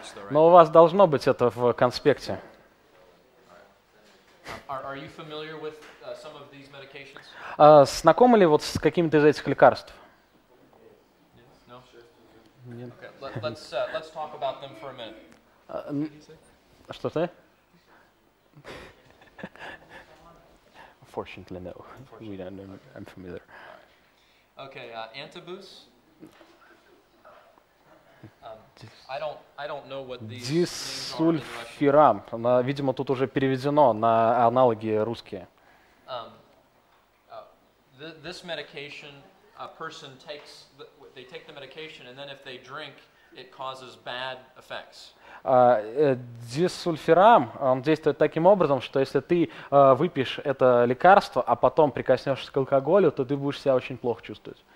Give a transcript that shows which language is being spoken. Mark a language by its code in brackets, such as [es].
[ru] Но у вас должно быть это в конспекте. [en] Are you familiar with some of these medications? [ru] Знакомы ли вот с какими-то из этих лекарств? [en] No. [ru] Нет. [en] Okay. Let's talk about them for a minute. [ru] Что ты? [en] Fortunately, no. We don't know. Okay. I'm familiar. Okay. Antabus. I don't know what these [ru] Дисульфирам. Она, видимо, тут уже переведено на аналоги русские. [en] This medication, a person takes, they take the medication, and then if they drink, it causes bad effects. [ru] Дисульфирам, он действует таким образом, что если ты выпьешь это лекарство, а потом прикоснешься к алкоголю, то ты будешь себя очень плохо чувствовать.